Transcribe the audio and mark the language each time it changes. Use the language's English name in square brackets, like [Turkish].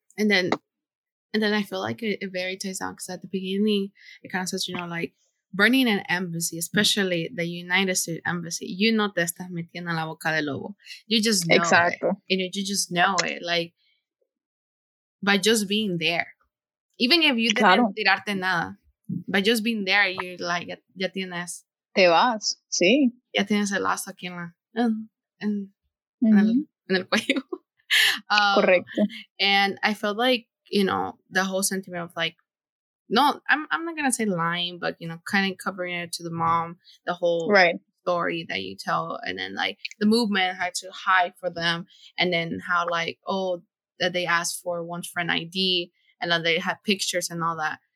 [English] And then I feel like it very ties out, because at the beginning, it kind of says, you know, like, burning an embassy, especially the United States embassy, you know, [Spanish] te estás metiendo en la boca del lobo. [English] You just know it. You just know it. Like, by just being there, even if you didn't [Spanish] tirarte nada, [English] by just being there, you're like, [Spanish] ya tienes. Te vas, sí. Ya tienes el lazo aquí en el cuello. Correcto. [English] And I felt like, you know, the whole sentiment of like, no, I'm not going to say lying, but, you know, kind of covering it to the mom, the whole story that you tell. And then, like, the movement had to hide for them. And then how, like, oh, that they asked for one friend ID, and then they had pictures and all that.